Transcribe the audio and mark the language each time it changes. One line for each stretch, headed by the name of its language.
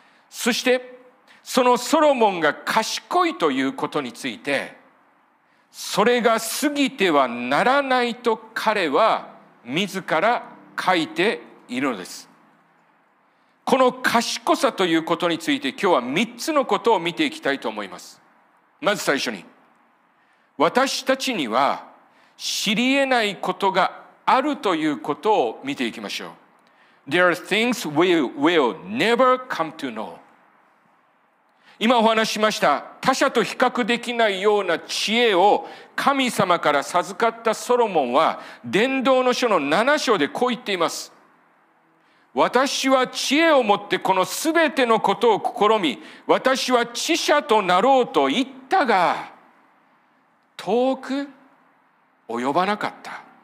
Japanese: そしてそのソロモンが賢いということについて、それが過ぎてはならないと彼は自ら書いているのです。この賢さということについて、今日は3つのことを見ていきたいと思います。まず最初に、私たちには知り得ないことがあるということを見ていきましょう。
English: There are things we will never come to know。
Japanese: 今お話しました、他者と比較できないような知恵を神様から授かったソロモンは、伝道の書の7章でこう言っています。私は知恵を持ってこのすべてのことを試み、私は知者となろうと言ったが、遠く及ばなかった。